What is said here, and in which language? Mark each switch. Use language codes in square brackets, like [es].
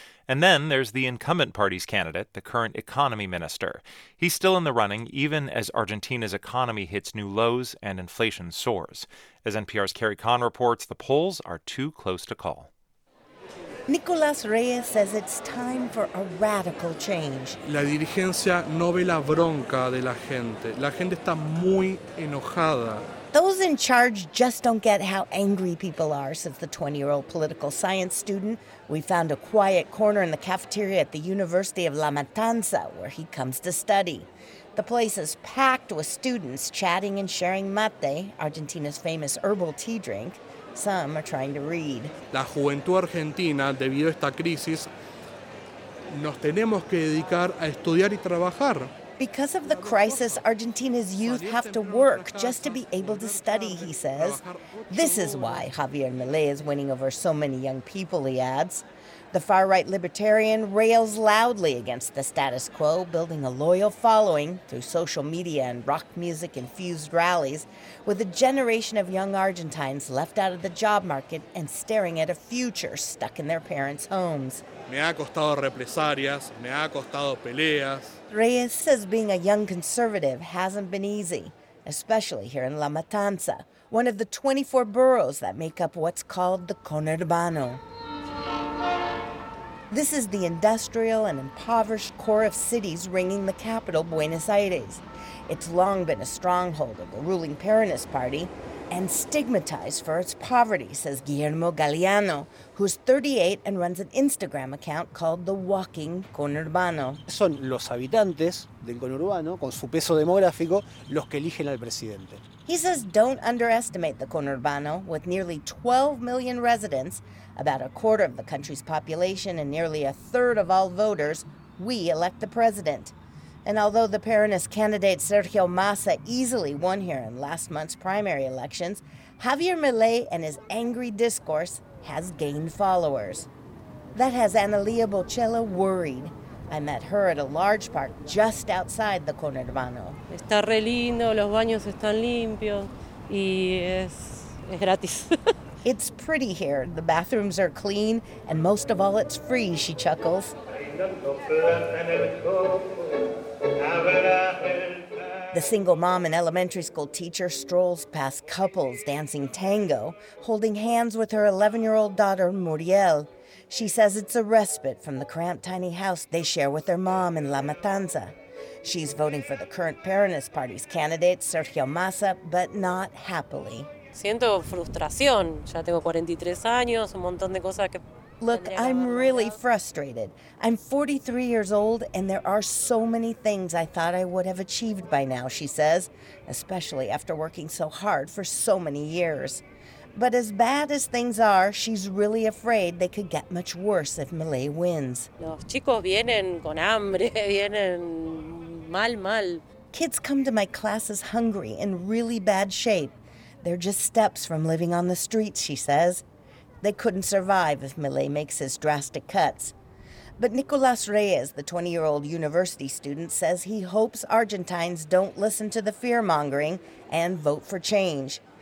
[en] And then there's the incumbent party's candidate, the current economy minister. He's still in the running, even as Argentina's economy hits new lows and inflation soars. As NPR's Kerry Kahn reports, the polls are too close to call. Nicolás Reyes says it's time for a radical change. [es] La dirigencia no ve la bronca de la gente. La gente está muy enojada. [en] Those in charge just don't get how angry people are, says the 20-year-old political science student. We found a quiet corner in the cafeteria at the University of La Matanza, where he comes to study. The place is packed with students chatting and sharing mate, Argentina's famous herbal tea drink. Some are trying to read. [es] La juventud argentina, debido a esta crisis, nos tenemos que dedicar a estudiar y trabajar. [en] Because of the crisis, Argentina's youth have to work just to be able to study, he says. This is why Javier Milei is winning over so many young people, he adds. The far-right libertarian rails loudly against the status quo, building a loyal following through social media and rock music-infused rallies, with a generation of young Argentines left out of the job market and staring at a future stuck in their parents' homes. [es] Me ha costado represalias, me ha costado peleas. [en] Reyes says being a young conservative hasn't been easy, especially here in La Matanza, one of the 24 boroughs that make up what's called the conurbano. This is the industrial and impoverished core of cities ringing the capital, Buenos Aires. It's long been a stronghold of the ruling Peronist Party, and stigmatized for its poverty, says Guillermo Galeano, who's 38 and runs an Instagram account called The Walking Conurbano. [es] Son los habitantes del conurbano, con su peso demográfico, los que eligen al presidente. [en] He says don't underestimate the conurbano, with nearly 12 million residents, about a quarter of the country's population and nearly a third of all voters, we elect the president. And although the Peronist candidate Sergio Massa easily won here in last month's primary elections, Javier Milei and his angry discourse has gained followers. That has Analia Bocella worried. I met her at a large park just outside the Conurbano. [es] Está re lindo, los baños están limpios, y es gratis. [en] It's pretty here. The bathrooms are clean, and most of all, it's free, she chuckles. The single mom and elementary school teacher strolls past couples dancing tango, holding hands with her 11-year-old daughter, Muriel. She says it's a respite from the cramped tiny house they share with their mom in La Matanza. She's voting for the current Peronist Party's candidate, Sergio Massa, but not happily. [es] Siento frustración. Ya tengo 43 años, un montón de cosas que... [en] Look, I'm really frustrated. I'm 43 years old, and there are so many things I thought I would have achieved by now, she says, especially after working so hard for so many years. But as bad as things are, she's really afraid they could get much worse if Milei wins. [es] Los chicos vienen con hambre, vienen mal, mal. [en] Kids come to my classes hungry, in really bad shape. They're just steps from living on the streets, she says. They couldn't survive if Milei makes his drastic cuts. But Nicolas Reyes, the 20-year-old university student, says he hopes Argentines don't listen to the fear-mongering and vote for change.